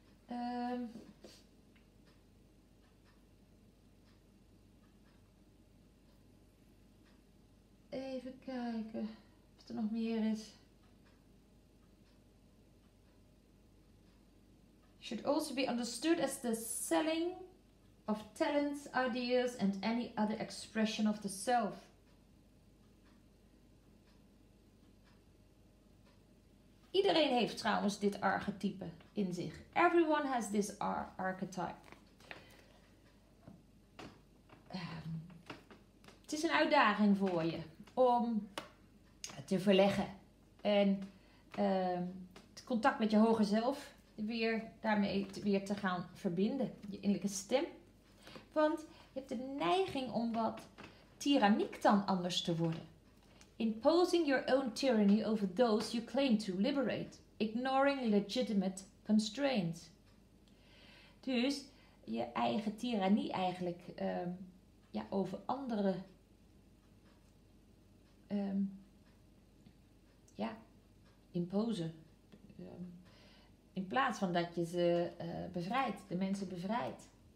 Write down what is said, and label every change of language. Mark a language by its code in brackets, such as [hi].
[nl] Even kijken of er nog meer is. [en] Should also be understood as the selling of talents, ideas and any other expression of the self. [nl] Iedereen heeft trouwens dit archetype in zich. [en] Everyone has this archetype. [nl] Het is een uitdaging voor je om te verleggen. En het contact met je hoger zelf weer daarmee weer te gaan verbinden. Je innerlijke stem. Want je hebt de neiging om wat tyranniek dan anders te worden. [en] Imposing your own tyranny over those you claim to liberate. Ignoring legitimate constraints. [nl] Dus je eigen tirannie eigenlijk over anderen imposen. In plaats van dat je ze bevrijdt, de mensen bevrijdt.